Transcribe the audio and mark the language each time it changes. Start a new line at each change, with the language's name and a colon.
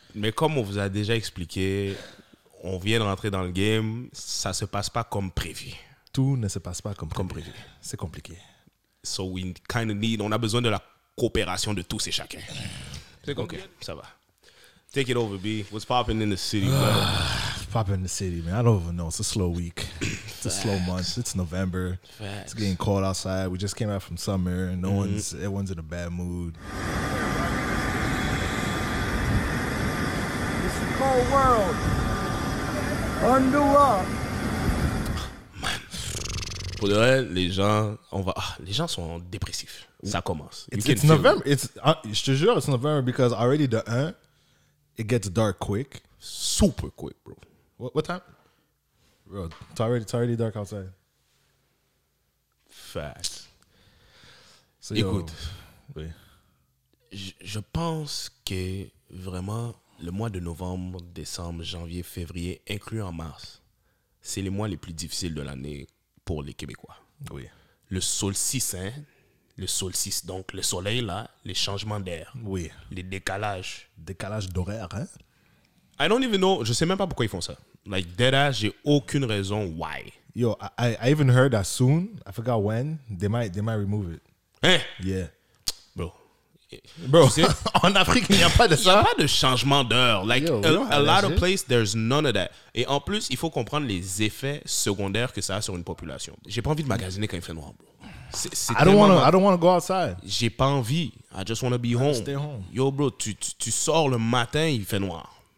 French: Mais comme on vous a déjà expliqué, on vient de rentrer dans le game. Ça se passe pas comme prévu. Tout ne se passe pas comme prévu. C'est compliqué.
English: So we kind of need,
French: on a besoin de la coopération de tous et chacun. C'est compliqué. Ça va.
English: Take it over, B. What's popping in the city, bro? Popping in the city, man. I don't even know. It's a slow week. It's facts. A slow month. It's November. Facts. It's getting cold outside. We just came out from summer. And no mm-hmm. one's, everyone's in a bad mood. It's a cold world. Under up.
French: Pour de vrai, les gens, on va, les gens sont dépressifs. Ça commence.
English: It's November.
French: Je te jure,
English: it's November because already the 1, it gets dark quick. Super quick, bro. What time? Bro, it's already dark outside. Fast. So,
French: écoute, yo, oui. Je pense que vraiment le mois de novembre, décembre, janvier, février, inclus en mars, c'est les mois les plus difficiles de l'année pour les Québécois. Oui. Le solstice, hein? Le solstice, donc le soleil là, les changements d'air. Oui. Les décalages. Décalage d'horaire, hein?
English: I don't even know.
French: Je sais même pas pourquoi ils font ça.
English: Like, dead ass,
French: j'ai aucune raison why.
English: Yo, I even heard that soon. I forgot when. They might remove it.
French: Hein?
English: Yeah. Bro.
French: Bro, tu sais, en Afrique, il n'y a pas de ça. Il n'y a pas de changement d'heure.
English: Like, a lot of places, there's none of that.
French: Et en plus, il faut comprendre les effets secondaires que ça a sur une population. J'ai pas envie de magasiner quand il fait noir, bro.
English: I don't want to go outside.
French: J'ai pas envie.
English: I just want to be home. Stay home.
French: Yo, bro, tu sors le matin, il fait noir.